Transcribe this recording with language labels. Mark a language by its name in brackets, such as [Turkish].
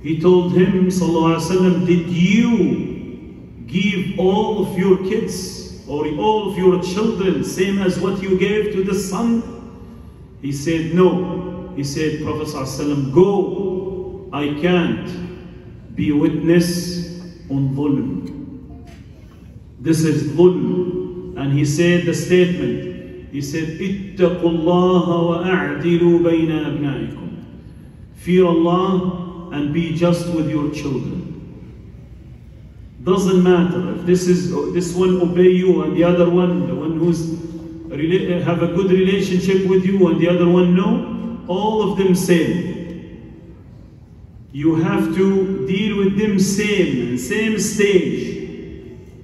[English] He told him, sallallahu alaihi wasallam, did you give all of your kids or all of your children same as what you gave to the son? He said, no. He said, Prophet sallallahu alaihi wasallam, go. I can't be witness on dhulm. This is dhulm. And he said the statement. He said, [Arabic] اتقوا الله وأعدلوا بين أبنائكم. [English] Fear Allah and be just with your children. Doesn't matter if this one obey you and the other one, the one who's have a good relationship with you and the other one no. All of them same. You have to deal with them same, same stage.